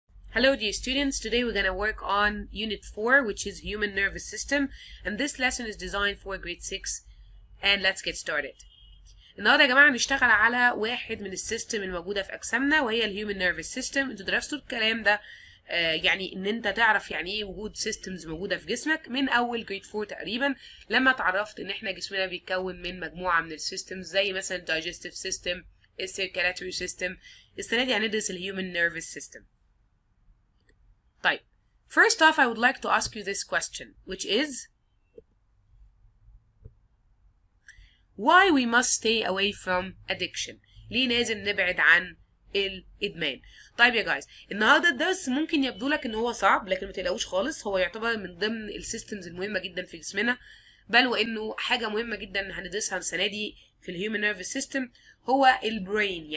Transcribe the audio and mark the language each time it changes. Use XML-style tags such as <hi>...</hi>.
<en>Hello dear students, today we're going to work on Unit 4, which is Human Nervous System, and this lesson is designed for Grade 6, and let's get started.</en> <ar>النهاردة يا جماعة نشتغل على واحد من السيستم الموجودة في أجسامنا وهي Human Nervous System. انتوا درستوا الكلام ده يعني ان انت تعرف يعني ايه وجود سيستمز موجودة في جسمك من أول Grade 4 تقريبا لما تعرفت ان احنا جسمنا بيتكون من مجموعة من السيستمز زي مثلا Digestive System, Circulatory System. السنة دي هندرس Human Nervous System.</ar> <en>First off, I would like to ask you this question, which is why we must stay away from addiction.</en> <ar>ليه لازم نبعد عن الإدمان؟ طيب يا guys, النهارده الدرس ممكن يبدو لك ان هو صعب, لكن ما تقلقوش خالص, هو يعتبر من ضمن السيستمز المهمه جدا في جسمنا, بل وانه حاجه مهمه جدا هندرسها السنه دي في الهيومن نيرفس سيستم هو البرين.</ar>